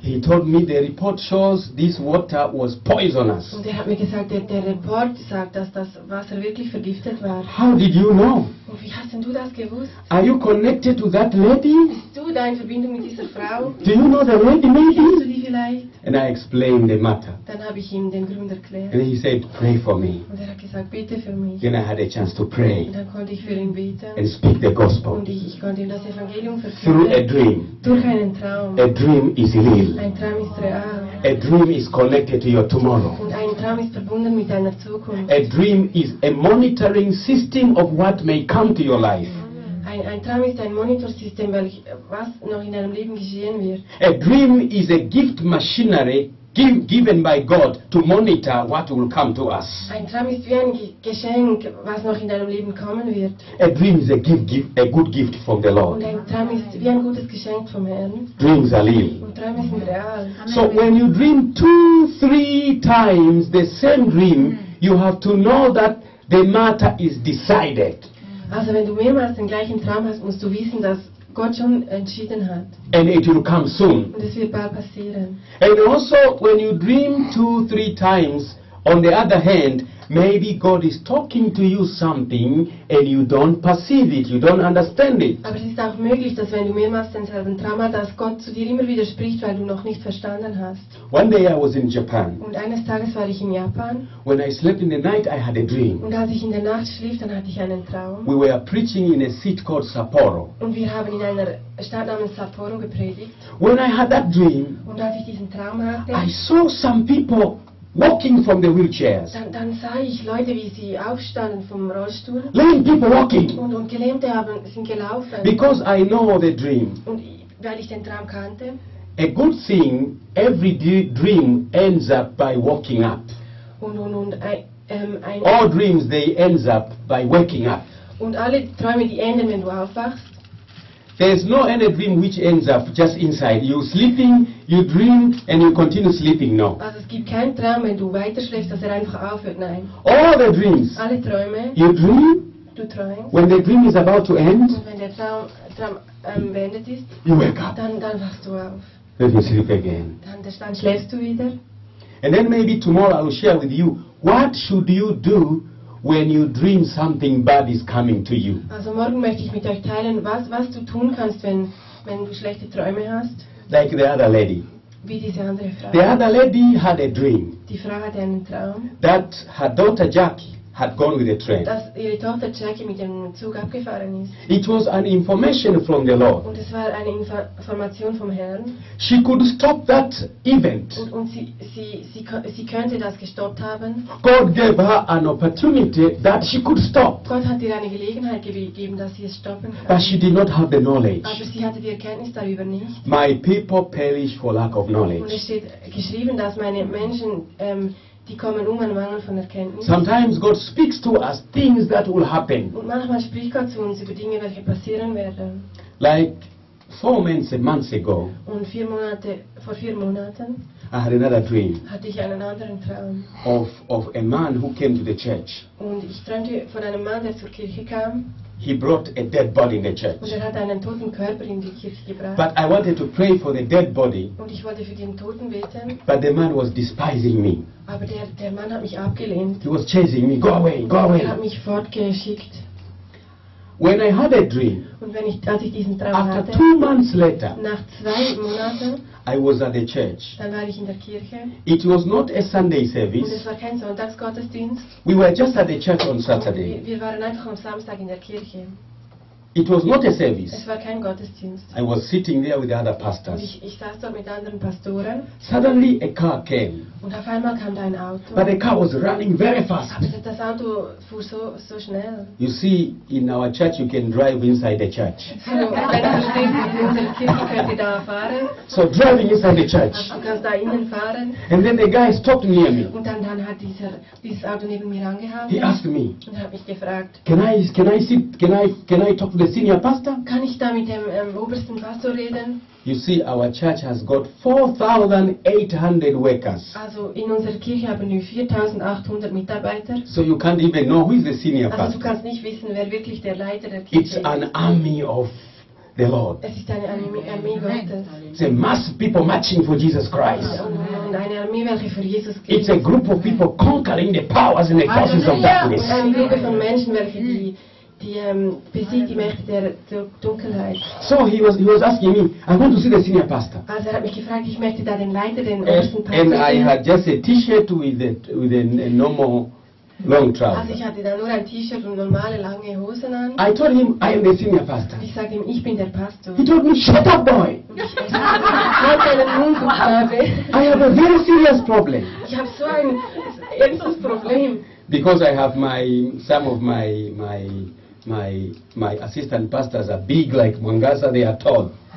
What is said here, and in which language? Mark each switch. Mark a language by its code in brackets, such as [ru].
[en] He told me the report shows this water was poisonous. [de] Und er hat mir gesagt, der Report sagt, dass das Wasser wirklich vergiftet war. [en] How did you know? [de] Und wie hast denn du das gewusst? [en] Are you connected to that lady? [de] Bist du da in Verbindung mit dieser Frau? [en] Do you know the lady maybe? [de] Kennst du die vielleicht? [en] And I explained the matter. [de] Dann habe ich ihm den Grund erklärt. [en] And he said, pray for me. [de] Und er hat gesagt, bete für mich. [en] Then I had a chance to pray. [de] Und dann konnte ich für ihn beten. [en] And speak the gospel. [de] Und ich konnte ihm das Evangelium verkünden. [en] Through a dream. [de] Durch einen Traum. [en] A dream is real. [de] Ein Traum ist real. [en] A dream is connected to your tomorrow. [de] Und ein Traum ist verbunden mit deiner Zukunft. [en] A dream is a monitoring system of what may come to your life. [de] Ein Traum ist ein Monitorsystem, weil was noch in deinem Leben geschehen wird. [en] A dream is a gift machinery given by God to monitor what will come to us. [de] Ein Traum ist wie ein Geschenk, was noch in deinem Leben kommen wird. [en] A dream is a good gift from the Lord. [de] Und ein Traum ist wie ein gutes Geschenk vom Herrn. [en] Dreams are real. [de] Und Träume sind real. [en] So when you dream 2-3 times the same dream, you have to know that the matter is decided. [de] Also wenn du mehrmals den gleichen Traum hast, musst du wissen, dass Gott schon entschieden hat. [en] And it will come soon. [de] Und es wird bald passieren. [en] And also when you dream 2-3 times, on the other hand, maybe God is talking to you something and you don't perceive it, you don't understand it. [de] Aber es ist auch möglich, dass wenn du mehrmals denselben Traum hast, dass Gott zu dir immer wieder spricht, weil du noch nicht verstanden hast. [en] One day I was in Japan. [de] Und eines Tages war ich in Japan. [en] When I slept in the night, I had a dream. [de] Und als ich in der Nacht schlief, dann hatte ich einen Traum. [en] We were preaching in a city called Sapporo. [de] Und wir haben in einer Stadt namens Sapporo gepredigt. [en] When I had that dream, [de] und als ich diesen Traum hatte, [en] I saw some people walking from the wheelchairs. [de] Dann sah ich Leute, wie sie aufstanden vom Rollstuhl. [en] Lame people walking. [de] Und Gelähmte haben, sind gelaufen. [en] Because I know the dream. [de] Und weil ich den Traum kannte. [en] A good thing, every dream ends up by waking up. All dreams, they end up by waking up. [de] Und alle Träume, die enden, wenn du aufwachst. [en] There's no any dream which ends up just inside. You're sleeping, you dream, and you continue sleeping, no. [de] Also es gibt keinen Traum, wenn du weiterschläfst, dass einfach aufhört, nein. [en] All the dreams. [de] Alle Träume. [en] You dream. [de] Du träumst. [en] When the dream is about to end. [de] Und wenn der Traum beendet ist. [en] You wake up. [de] Dann wachst du auf. [en] Let me sleep again. [de] Dann schläfst du wieder. [en] And then maybe tomorrow I'll share with you, what should you do when you dream something bad is coming to you. [de] Also morgen möchte ich mit euch teilen, was du tun kannst, wenn du schlechte Träume hast. [en] Like the other lady. [de] Wie diese andere Frau. [en] The other lady had a dream. [de] Die Frau hatte einen Traum. [en] That her daughter Jackie had gone with the train. [de] Dass ihre Tochter Jackie mit dem Zug abgefahren ist. [en] It was an information from the Lord. [de] Und es war eine Information vom Herrn. [en] She could stop that event. [de] Und sie könnte das gestoppt haben. [en] God gave her an opportunity that she could stop. [de] Gott hat ihr eine Gelegenheit gegeben, dass sie es stoppen kann. [en] But she did not have the knowledge. [de] Aber sie hatte die Erkenntnis darüber nicht. [en] My people perish for lack of knowledge. [de] Und es steht geschrieben, dass meine Menschen die kommen um einen Mangel von Erkenntnis. [en] Sometimes God speaks to us things that will happen. [de] Und manchmal spricht Gott zu uns über Dinge, welche passieren werden. [en] Like 4 months ago. [de] Und vor vier Monaten. [en] I had another dream. [de] Hatte ich einen anderen Traum. [en] Of a man who came to the church. [de] Und ich träumte von einem Mann, der zur Kirche kam. [en] He brought a dead body in the church. [de] Und er hat einen toten Körper in die Kirche gebracht. [en] But I wanted to pray for the dead body. [de] Und ich wollte für den Toten beten. [en] But the man was despising me. [de] Aber der Mann hat mich abgelehnt. [en] He was chasing me. Go away, go away. [de] Er hat mich fortgeschickt. [en] When I had a dream, [de] und als ich diesen Traum [en] after [de] hatte, [en] 2 months later, [de] nach 2 Monaten, [en] I was at the church. [de] Dann war ich in der Kirche. [en] It was not a Sunday service. [de] Und es war kein Sonntagsgottesdienst. [en] We were just at the church on Saturday. [de] Wir waren einfach am Samstag in der Kirche. [en] It was not a service. [de] Es war kein Gottesdienst. [en] I was sitting there with the other pastors. [de] Ich saß dort mit anderen Pastoren. [en] Suddenly a car came. [de] Und auf einmal kam da ein Auto. [en] But the car was running very fast. [de] Aber das Auto fuhr so schnell. [en] You see, in our church you can drive inside the church. [de] So, wenn du stehst in unserer Kirche, könnt ihr da fahren. [en] So driving inside the church. [de] Du kannst da innen fahren. [en] And then the guy stopped near me. [de] Und dann hat dieses Auto neben mir angehalten. [en] He asked me. [de] Und hat mich gefragt. [en] Can I talk to the senior pastor? [de] Kann ich da mit dem obersten Pastor reden? [en] You see, our church has got 4,800 workers. [de] Also in unserer Kirche haben wir 4,800 Mitarbeiter. [en] So you can't even know who is the senior pastor. [de] Also du kannst nicht wissen, wer wirklich der Leiter der Kirche ist. [en] It's an army of the Lord. [de] Es ist eine Armee Gottes. [en] It's a mass of people marching for Jesus Christ. [de] Eine Armee, welche für Jesus geht. [en] It's a group of people conquering the powers and the forces of darkness. [de] Eine Gruppe von Menschen, welche die besiegt die Mächte der Dunkelheit. [en] So he was asking me, I want to see the senior pastor. [de] Also er hat mich gefragt, ich möchte da den Leiter, den obersten Pastor. [en] And I had just a T-shirt with a normal long trousers. [de] Also ich hatte da nur ein T-Shirt und normale lange Hosen an. [en] I told him I am the senior pastor. [de] Ich sagte ihm, ich bin der Pastor. [en] He told me, shut up, boy. I have a very serious problem. [de] Ich habe so ein ernstes Problem. [en] Because I have some of my assistant pastors are big like Mwangaza, they are tall.